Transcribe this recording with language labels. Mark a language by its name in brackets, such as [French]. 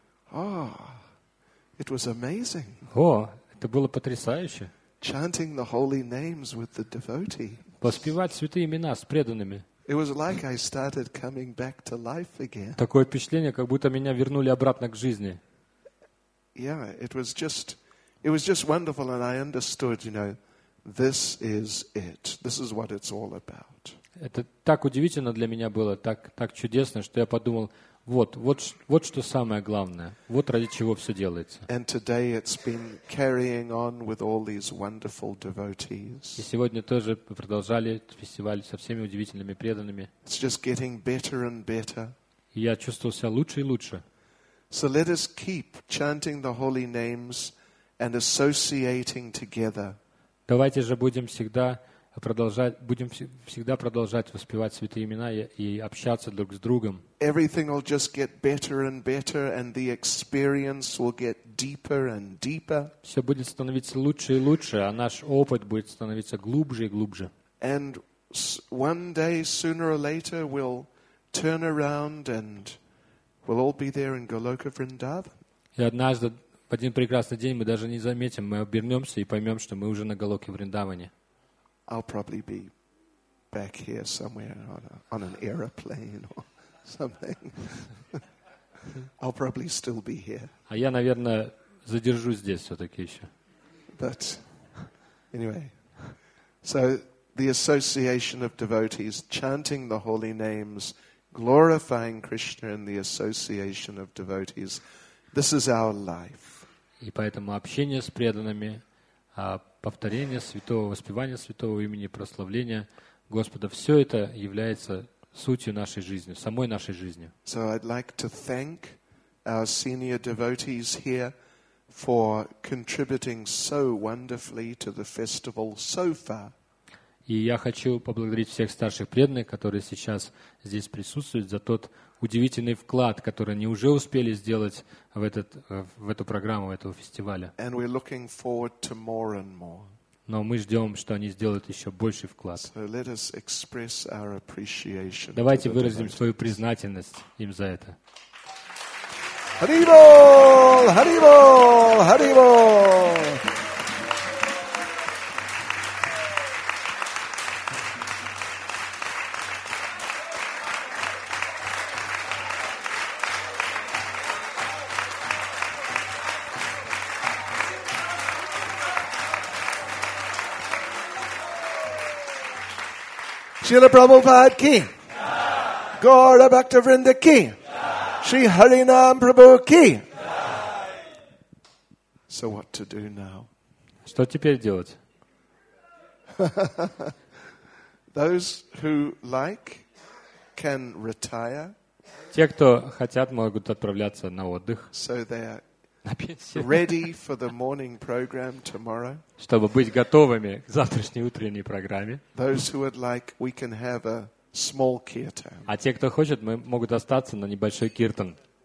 [English] It was amazing. [Russian] О, это было потрясающе. [English] Chanting the holy names with the devotee. [Russian] Воспевать святые имена с преданными. [English] It was like I started coming back to life again. [Russian] Такое впечатление, как будто меня вернули обратно к жизни. [English] Yeah, it was just wonderful, and I understood, you know, this is it. This is what it's all about. [Russian] Это так удивительно для меня было, так чудесно, что я подумал: Вот что самое главное. Вот ради чего все делается. И сегодня тоже мы продолжали фестиваль со всеми удивительными преданными. [English] It's just getting better and better. [Russian] Я чувствовал себя лучше и лучше. [English] So let us keep chanting the holy names and associating together. [Russian] Давайте же будем всегда продолжать, будем всегда продолжать воспевать святые имена и общаться друг с другом. [English] Everything will just get better and better, and the experience will get deeper and deeper. [Russian] Все будет становиться лучше и лучше, а наш опыт будет становиться глубже и глубже. [English] And one day, sooner or later, we'll turn around and we'll all be there in Goloka Vrindavan. [Russian] И однажды, в один прекрасный день, мы даже не заметим, мы обернемся и поймем, что мы уже на Голоке Вриндаване. [English] I'll probably be back here somewhere on an aeroplane or something. I'll probably still be here. [Russian] А я, наверное, задержусь здесь все-таки еще. [English] But anyway, so the association of devotees chanting the holy names, glorifying Krishna in the association of devotees. This is our life. [Russian] И поэтому общение с преданными, повторение святого, воспевание святого имени, прославление Господа, все это является сутью нашей жизни, самой нашей жизни. [English] So I'd like to thank our senior devotees here for contributing so wonderfully to the festival so far. [Russian] И я хочу поблагодарить всех старших преданных, которые сейчас здесь присутствуют, за тот удивительный вклад, который они уже успели сделать в эту программу, в этого фестиваля. [English] And we're looking forward to more and more. [Russian] Но мы ждем, что они сделают еще больший вклад. [English] So let us express our appreciation. [Russian] Давайте выразим свою признательность им за это. [Sanskrit] Харибол! Харибол! Харибол! Srila Prabhupada ki. Gaura Bhakta Vrinda ki. Sri Harinam Prabhu ki. [English] So what to do now? [Russian] Что теперь делать? [English] Those who like can retire. [Russian] Те, кто хотят, могут отправляться на отдых. [English] So they are ready for the morning program tomorrow. [Russian] Чтобы быть готовыми к завтрашней утренней программе. [English] Those who would like, we can have a small kirtan. [Russian] А те, кто хочет, мы могут остаться на небольшой киртан.